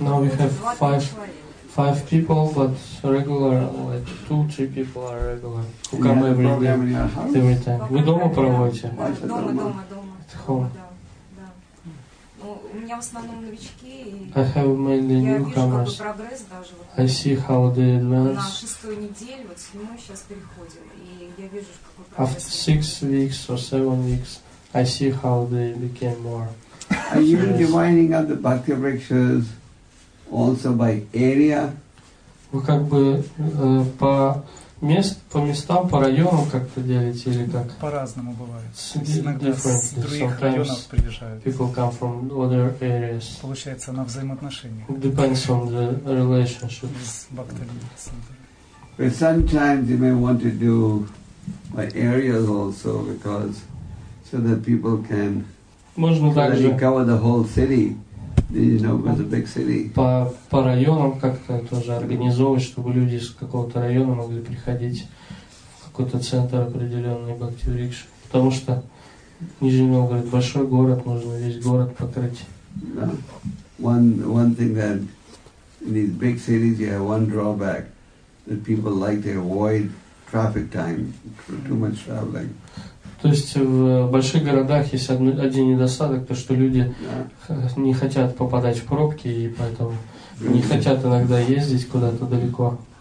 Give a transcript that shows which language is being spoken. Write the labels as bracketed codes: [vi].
[en] Now we have 5 people, but regular like 2-3 people are regular who come every day, every time. [ru] Вы дома проводите? Дома. [en] At home. [ru] Да. У меня в основном новички, и я вижу, как бы прогресс даже. [en] I see how they advance. [ru] На шестую неделю, вот седьмую сейчас переходим, и я вижу, какой прогресс. [en] After 6 weeks or 7 weeks, I see how they became more. Are you dividing up the bhakti rikshas also by area? [ru] Вы как бы по местам, по районам как-то делите или как? По-разному бывает. Иногда с других районов приезжают. [en] People come from other areas. [ru] Получается на взаимоотношениях. [en] It depends on the relationship. But sometimes you may want to do by areas also because so that people can [ru] можно также [en] cover the whole city. You know, it's a big city. [ru] По районам как-то тоже организовывать, чтобы люди из какого-то района могли приходить в какой-то центр определенный Бхакти Врикш. Потому что Нижний Новгород большой город, нужно весь город покрыть. [en] Yeah. One thing that in these big cities you have one drawback that people like to avoid traffic time for too much traveling. [ru] То есть в больших городах есть один недостаток, то что люди не хотят попадать в пробки и поэтому не хотят иногда ездить куда-то далеко.